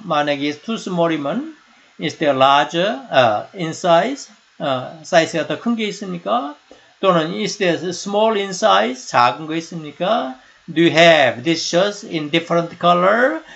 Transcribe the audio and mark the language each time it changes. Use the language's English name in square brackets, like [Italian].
[Korean] 만약에 [English] too small이면 is there larger in size? [Korean] 사이즈가 더 큰 게 있습니까? 또는 [English] is there small in size? [Korean] 작은 거 있습니까? [English] Do you have this shirt in different color?